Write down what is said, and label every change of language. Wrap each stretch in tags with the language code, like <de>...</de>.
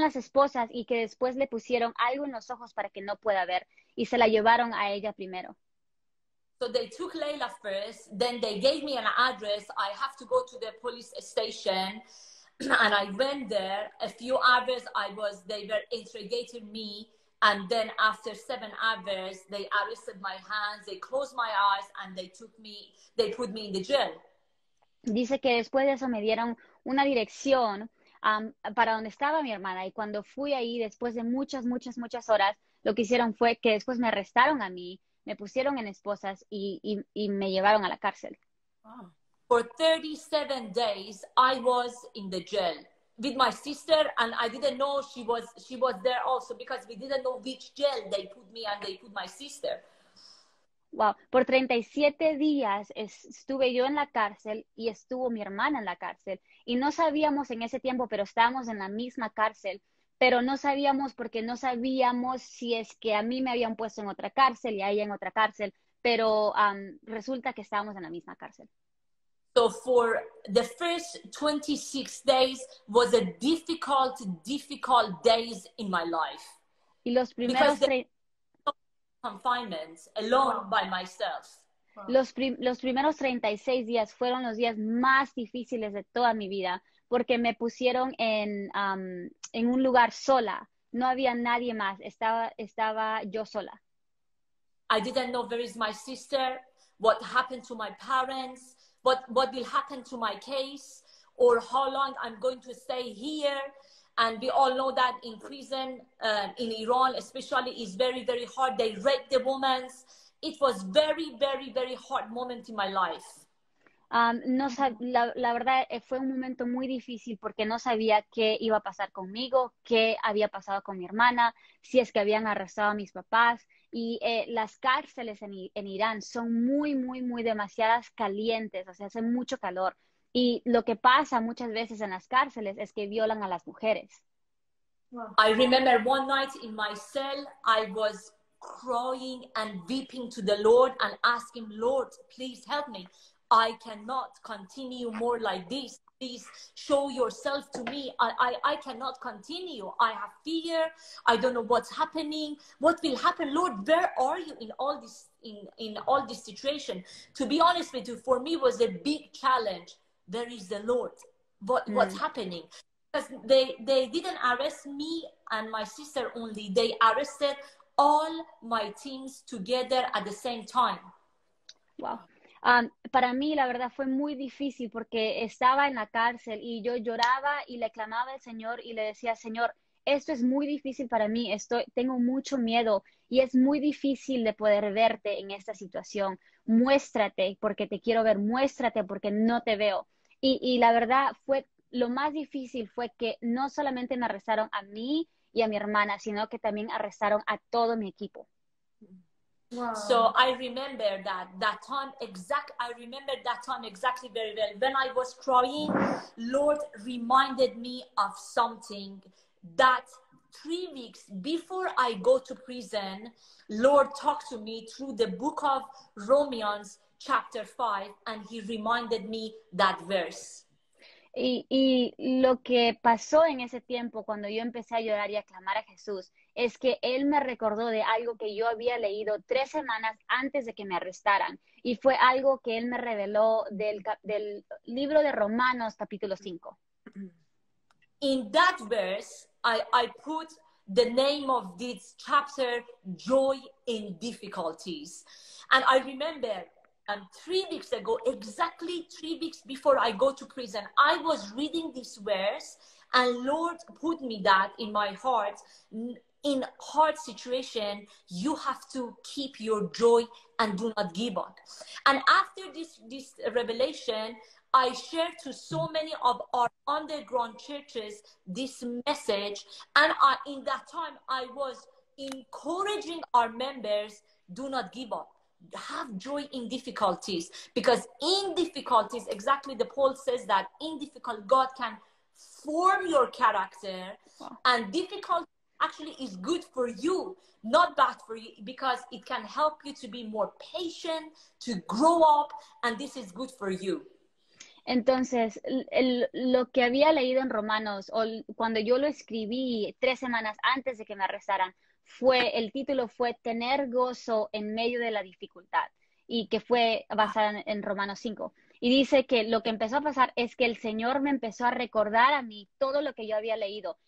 <es>las esposas y que después le pusieron algo en los ojos para que no pueda ver y se la llevaron a ella primero.</es> <en>So they took Layla first, then they gave me an address. I have to go to the police station and I went there. A few hours they were interrogating me and then after 7 hours they arrested my hands, they closed my eyes and they put me in the jail.</en> <es>Dice que después de eso me dieron una dirección para donde estaba mi hermana y cuando fui ahí después de muchas, muchas, muchas horas, lo que hicieron fue que después me arrestaron a mí, me pusieron en esposas y me llevaron a la cárcel.</es> <en>Wow. For 37 days I was in the jail with my sister and I didn't know she was there also because we didn't know which jail they put me and they put my sister.</en> <es>Wow, por 37 días estuve yo en la cárcel y estuvo mi hermana en la cárcel. Y no sabíamos en ese tiempo, pero estábamos en la misma cárcel, pero no sabíamos porque no sabíamos si es que a mí me habían puesto en otra cárcel y a ella en otra cárcel, pero resulta que estábamos en la misma cárcel.</es> <en>So for the first 26 days was a difficult, difficult days in my life.</en> <es>Y los primeros</es> <en>confinement alone by myself.</en> <es>Los primeros 36 días fueron los días más difíciles de toda mi vida porque me pusieron en un lugar sola. No había nadie más. Estaba yo sola.</es> <en>I didn't know where is my sister, what happened to my parents, what will happen to my case, or how long I'm going to stay here. And we all know that in prison, in Iran especially, is very, very hard. They rape the women. It was very, very, very hard moment in my life.</en> <es>La verdad, fue un momento muy difícil porque no sabía qué iba a pasar conmigo, qué había pasado con mi hermana, si es que habían arrestado a mis papás. Y las cárceles en Irán son muy, muy, muy demasiadas calientes, o sea, hace mucho calor. Y lo que pasa muchas veces en las cárceles es que violan a las mujeres.</es> <en>I remember one night in my cell, I was crying and weeping to the Lord and asking, Lord, please help me. I cannot continue more like this. Please show yourself to me. I cannot continue. I have fear. I don't know what's happening. What will happen? Lord, where are you in all this, in all this situation? To be honest with you, for me, it was a big challenge. There is the Lord. What's happening? Because they didn't arrest me and my sister only. They arrested all my teams together at the same time. Wow.</en> <es>Para mí, la verdad, fue muy difícil porque estaba en la cárcel y yo lloraba y le clamaba al Señor y le decía, Señor, esto es muy difícil para mí. Tengo mucho miedo y es muy difícil de poder verte en esta situación. Muéstrate porque te quiero ver. Muéstrate porque no te veo. Y la verdad fue lo más difícil fue que no solamente me arrestaron a mí y a mi hermana, sino que también arrestaron a todo mi equipo.</es> <en>Wow. So I remember that time exact. I remember that time exactly very well. When I was crying, Lord reminded me of something that 3 weeks before I go to prison, Lord talked to me through the book of Romans chapter 5, and he reminded me that verse.</en> <es>Y lo que pasó en ese tiempo cuando yo empecé a llorar y a clamar a Jesús es que él me recordó de algo que yo había leído 3 semanas antes de que me arrestaran. Y fue algo que él me reveló del libro de Romanos capítulo 5.</es> <en>In that verse, I put the name of this chapter, Joy in Difficulties. And I remember... And 3 weeks ago, exactly 3 weeks before I go to prison, I was reading this verse and Lord put me that in my heart. In hard situation, you have to keep your joy and do not give up. And after this revelation, I shared to so many of our underground churches this message. And in that time, I was encouraging our members, do not give up. Have joy in difficulties, because in difficulties, exactly the Paul says that in difficult God can form your character. Wow. And difficult actually is good for you, not bad for you, because it can help you to be more patient, to grow up, and this is good for you.</en> <es>Entonces, lo que había leído en Romanos, o cuando yo lo escribí 3 semanas antes de que me arrestaran, el título fue Tener Gozo en Medio de la Dificultad, y que fue basada en Romanos 5. Y dice que lo que empezó a pasar es que el Señor me empezó a recordar a mí todo lo que yo había leído.</es>